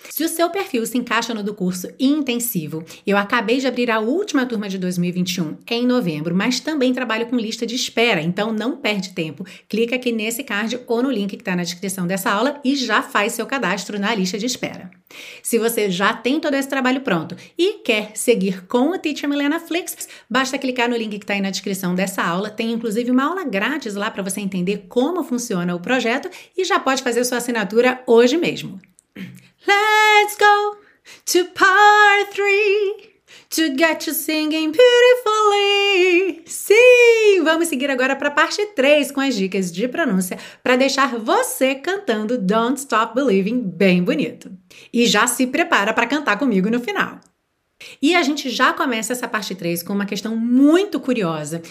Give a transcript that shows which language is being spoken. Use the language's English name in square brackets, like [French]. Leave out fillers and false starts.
[Portuguese] Se o seu perfil se encaixa no do curso intensivo, eu acabei de abrir a última turma de 2021 em novembro, mas também trabalho com lista de espera, então não perde tempo, clica aqui nesse card ou no link que está na descrição dessa aula e já faz seu cadastro na lista de espera. Se você já tem todo esse trabalho pronto e quer seguir com o Teacher Milena Flix, basta clicar no link que está aí na descrição dessa aula. Tem inclusive uma aula grátis lá para você entender como funciona o projeto e já pode fazer sua assinatura hoje mesmo. [English] Let's go to part 3 to get you singing beautifully. [Portuguese] Sim, vamos seguir agora para a parte 3 com as dicas de pronúncia para deixar você cantando Don't Stop Believing bem bonito. E já se prepara para cantar comigo no final. E a gente já começa essa parte 3 com uma questão muito curiosa.